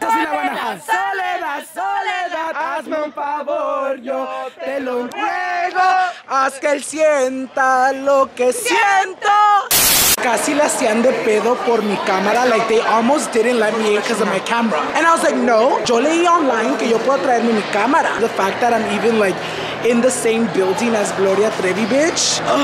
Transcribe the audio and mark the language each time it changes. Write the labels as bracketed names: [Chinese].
[Spanish] Soledad, Soledad, hazme un favor, yo te lo ruego. Haz que él sienta lo que siento. Casi la hacían de pedo por mi cámara. [English] Like, they almost didn't let me in because of my camera. And I was like, no. [Spanish] Yo leí online que yo puedo traerme mi cámara. [English] The fact that I'm even, like, in the same building as Gloria Trevi, bitch.